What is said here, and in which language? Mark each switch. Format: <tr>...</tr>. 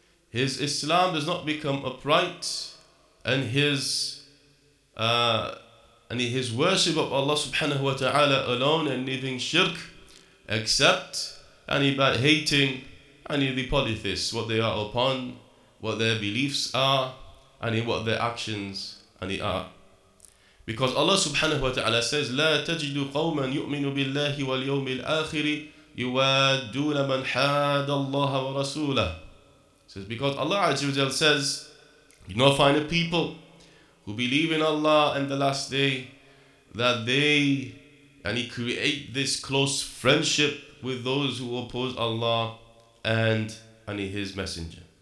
<en>his Islam does not become upright, and his worship of Allah subhanahu wa ta'ala alone and leaving shirk, except any by hating any of the polytheists, what they are upon, what their beliefs are, and what their actions any are. Because Allah subhanahu wa ta'ala says,</en> <ar>لَا تَجِدُ قَوْمًا يُؤْمِنُ بِاللَّهِ وَالْيَوْمِ الْآخِرِ يُوَادُّونَ مَنْ حَادَ اللَّهَ وَرَسُولَهُ.</ar> <en>Says, because Allah Azza wa Jalla says, you don't find a people who believe in Allah and the last day, that they and he create this close friendship with those who oppose Allah and his messenger.</en>